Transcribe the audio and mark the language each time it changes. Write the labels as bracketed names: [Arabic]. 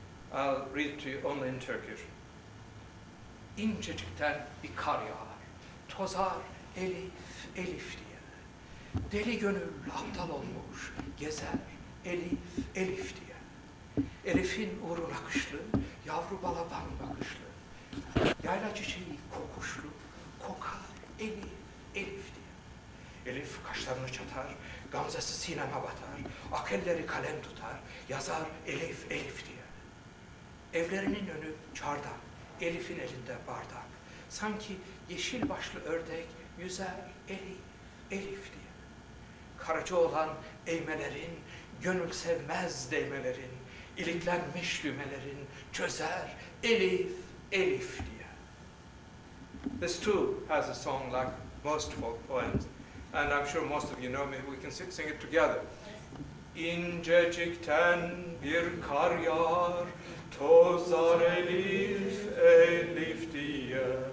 [English] I'll read it to you only in Turkish. [Turkish] İncecikten bir kar yağar, tozar Elif, Elif diye. Deli gönül aptal olmuş, gezer Elif, Elif diye. Elif'in uğru nakışlı, yavru balaban bakışlı. Yayla çiçeği kokuşlu, kokar Elif, Elif diye. Elif kaşlarını çatar, gamzesi sineme batar. Akelleri kalem tutar, yazar Elif, Elif diye. Evlerinin önü çardak. Elif'in elinde bardak, sanki yeşil başlı ördek yüzer Elif, Elif diye. Karacaoğlan eğmelerin, gönül sevmez değmelerin, iliklenmiş lümelerin çözer Elif, Elif diye. [English] This too has a song like most folk poems, and I'm sure most of you know me, we can sing it together. [Turkish] İncecikten bir kar yağar, tozar Elif, Elif diye.